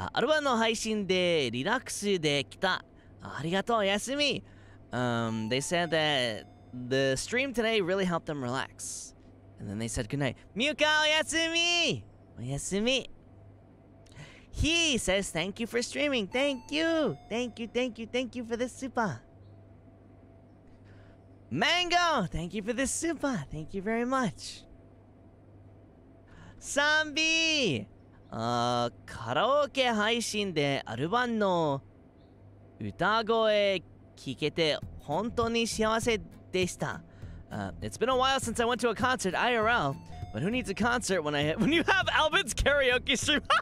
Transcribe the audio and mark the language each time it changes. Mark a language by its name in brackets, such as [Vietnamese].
[Japanese] アルバムの配信でリラックスできた。ありがとう、休み。 [English] They said that the stream today really helped them relax. And then they said goodnight. [Japanese] ミュカ、お休み。お休み。 [English] He says thank you for streaming. Thank you. Thank you, thank you, thank you for this super. Mango, thank you for this super. Thank you very much. Sambi! [Japanese] カラオケ配信でアルバンの歌声聞けて本当に幸せでした。 [English] It's been a while since I went to a concert IRL, but who needs a concert when you have Alvin's karaoke stream?